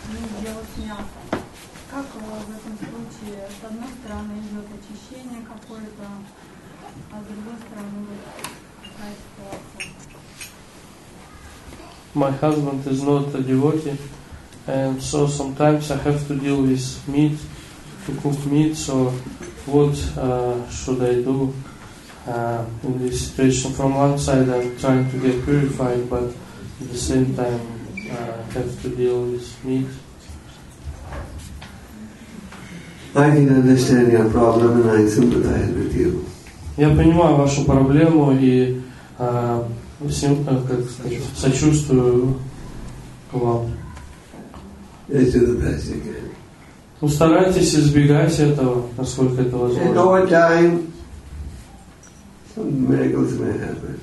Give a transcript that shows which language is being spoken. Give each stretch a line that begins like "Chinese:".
Russian: Как в этом случае, с одной стороны, идет очищение какое-то, а с другой стороны, какая ситуация?
English: My husband is not a devotee, and so sometimes I have to deal with meat, to cook meat, so what should I do in this situation? From one side I'm trying to get purified, but at the same time I have to deal with meat. I can understand your problem and I sympathize with you.
Russian: Я понимаю вашу проблему и всем, как сочувствую вам. Ну, старайтесь избегать этого, насколько это возможно.
English: Time, some miracles may happen.